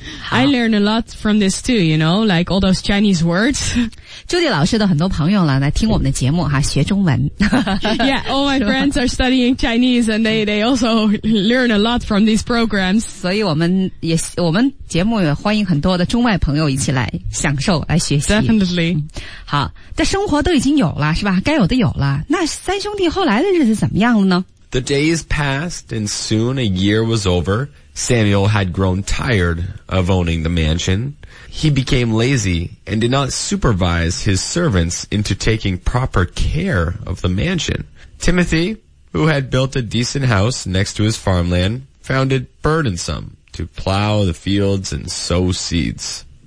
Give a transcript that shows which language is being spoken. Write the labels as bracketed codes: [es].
[en] I learned a lot from this too, you know, like all those Chinese words. [zh] Judy 老师的很多朋友来听我们的节目哈学中文。 [en] Yeah, all my friends are studying Chinese and they also learn a lot from these programs. [zh] 所以我们节目也欢迎很多的中外朋友一起来享受来学习。 [en] Definitely. [zh] 好这生活都已经有了是吧该有的有了。那三兄弟后来的日子怎么样了呢 [en] ?The days passed and soon a year was over. Samuel had grown tired of owning the mansion. He became lazy and did not supervise his servants into taking proper care of the mansion. Timothy, who had built a decent house next to his farmland, found it burdensome to plow the fields and sow seeds.